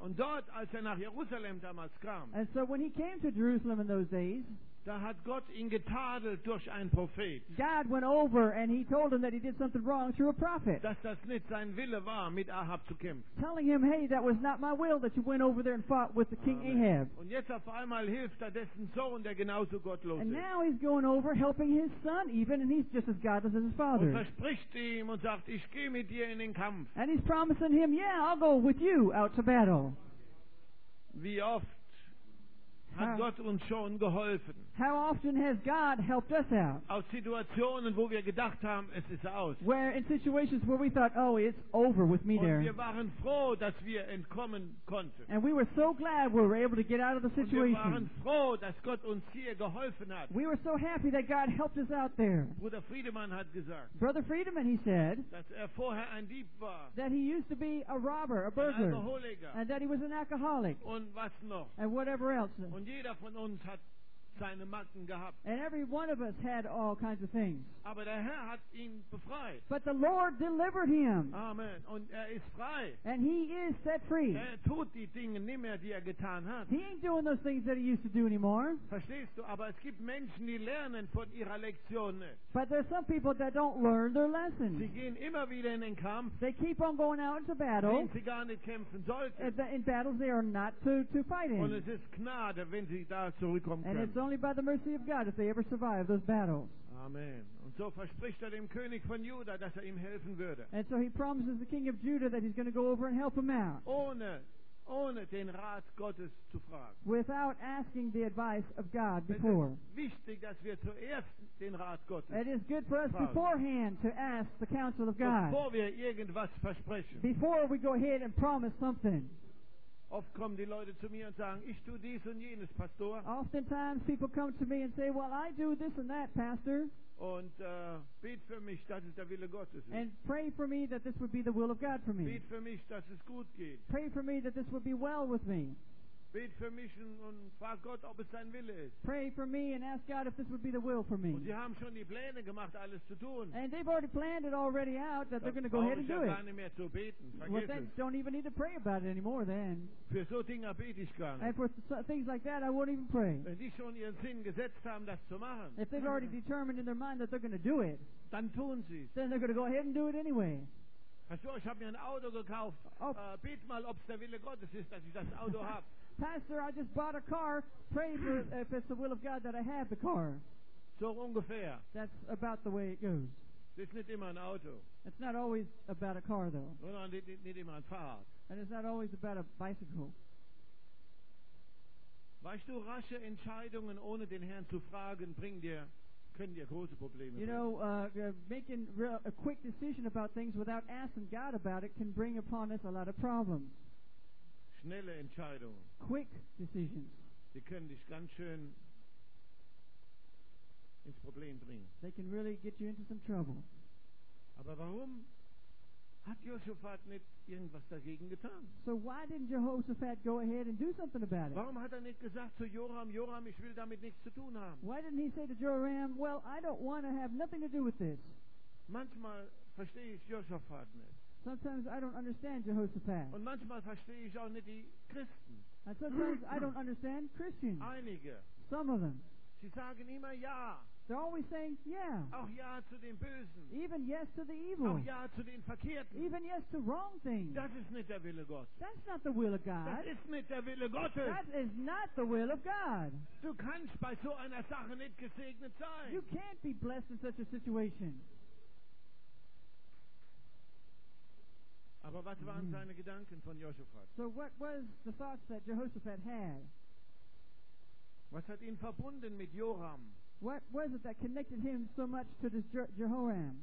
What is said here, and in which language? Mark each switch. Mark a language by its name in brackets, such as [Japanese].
[German] Und dort, als er nach Jerusalem damals kam, [English] and so when he came to Jerusalem in those days, [German] da hat Gott ihn getadelt durch einen Prophet. [English] God went over and he told him that he did something wrong through a prophet. [German] Dass das nicht sein Wille war, mit Ahab zu kämpfen. [English] Telling him, hey, that was not my will that you went over there and fought with the King Amen. Ahab. [German] Und jetzt auf einmal hilft er dessen Sohn, der genauso gottlos ist. [English] And now he's going over helping his son even, and he's just as godless as his father. [German] Und verspricht ihm und sagt, ich gehe mit dir in den Kampf. [English] And he's promising him, yeah, I'll go with you out to battle. [German] Wie oft hat Gott uns schon geholfen. [English] How often has God helped us out? [German] Aus Situationen, wo wir gedacht haben, es ist aus. [English] Where in situations where we thought, oh, it's over with me [German] und [English] there. [German] Und wir waren froh, dass wir entkommen konnten. [English] And we were so glad we were able to get out of the situation. [German] Und wir waren froh, dass Gott uns hier geholfen hat. [English] We were so happy that God helped us out there. [German] Bruder Friedemann hat gesagt. [English] Brother Friedemann, he said. [German] Dass er vorher ein Dieb war. [English] That he used to be a robber, a burglar. [German] Ein Alkoholiker. [English] And that he was an alcoholic. [German] Und was noch. [English] And whatever else. [German] Und jeder von uns hat seine Macken gehabt. [English] And every one of us had all kinds of things. [German] Aber der Herr hat ihn befreit. [English] But the Lord delivered him. [German] Amen. Und er ist frei. [English] And he is set free. [German] Er tut die Dinge nicht mehr, die er getan hat. [English] He ain't doing those things that he used to do anymore. [German] Verstehst du? Aber es gibt Menschen, die lernen von ihrer Lektion. [English] But there's some people that don't learn their lessons. [German] Sie gehen immer wieder in den Kampf. [English] They keep on going out into battle. [German] Wenn sie gar nicht kämpfen sollten. [English] In battles they are not to fight in. [German] Und es ist Gnade, wenn sie da zurückkommen können. [English] Only by the mercy of God if they ever survive those battles. Amen. [German] Und so verspricht er dem König von Juda, dass er ihm helfen würde. [English] And so he promises the king of Judah that he's going to go over and help him out. [German] Ohne den Rat Gottes zu fragen. [English] Without asking the advice of God before. [German] Es ist wichtig, dass wir zuerst den Rat Gottes fragen. [English] It is good for us beforehand to ask the counsel of God. [German] Bevor wir irgendwas versprechen. [English] Before we go ahead and promise something. [German] Oft kommen die Leute zu mir und sagen, ich tue dies und jenes, Pastor. [English] Oftentimes people come to me and say, well, I do this and that, Pastor. [German] Und bete für mich, dass es der Wille Gottes ist. [English] And pray for me that this would be the will of God for me. [German] Bete für mich, dass es gut geht. [English] Pray for me that this would be well with me. [German] Bete für mich und frag Gott, ob es sein Wille ist. [English] Pray for me and ask God if this would be the will for me. [German] Und sie haben schon die Pläne gemacht, alles zu tun. [English] And they've already planned it already out that they're going to go ahead and do it. [German] Gar nicht mehr zu beten. [English] Well, then don't even need to pray about it anymore then. [German] Für so Dinge bete ich gar nicht. [English] And for things like that, I won't even pray. [German] Wenn die schon ihren Sinn gesetzt haben, das zu machen. [English] If they've already determined in their mind that they're going to do it. [German] Dann tun sie es. [English] Then they're going to go ahead and do it anyway. [German] Pastor, ich habe mir ein Auto gekauft. Bet mal, ob es der Wille Gottes ist, dass ich das Auto habe. [English] Pastor, I just bought a car. Pray for if it's the will of God that I have the car. [German] So ungefähr. [English] That's about the way it goes. [German] Das ist nicht immer ein Auto. [English] It's not always about a car, though. [German] Und nicht immer ein Fahrrad. [English] And it's not always about a bicycle. [German] Weißt du, rasche Entscheidungen ohne den Herrn zu fragen bringen dir. [English] You know, making a quick decision about things without asking God about it can bring upon us a lot of problems. [German] Schnelle Entscheidungen. [English] Quick decisions. [German] Die können dich ganz schön ins Problem bringen. [English] They can really get you into some trouble. [German] Aber warum hat Josaphat nicht irgendwas dagegen getan? [English] So why didn't Jehoshaphat go ahead and do something about it? [German] Warum hat er nicht gesagt zu Joram, Joram, ich will damit nichts zu tun haben? [English] Why didn't he say to Joram, well, I don't want to have nothing to do with this? [German] Manchmal verstehe ich Josaphat nicht. [English] Sometimes I don't understand Jehoshaphat. [German] Und manchmal verstehe ich auch nicht die Christen. [English] And sometimes I don't understand Christians. [German] Einige. [English] Some of them. [German] Sie sagen immer ja. [English] They're always saying yeah. [German] Auch ja zu den Bösen. [English] Even yes to the evil. [German] Auch ja zu den Verkehrten. [English] Even yes to wrong things. [German] Das ist nicht der Wille Gottes. [English] That's not the will of God. [German] Das ist nicht der Wille Gottes. [English] That is not the will of God. [German] Du kannst bei so einer Sache nicht gesegnet sein. [English] You can't be blessed in such a situation. [German] Aber was waren seine Gedanken von Jehoshaphat? [English] So what was the thoughts that Jehoshaphat had? [German] Was hat ihn verbunden mit Joram? [English] What was it that connected him so much to this Jehoram?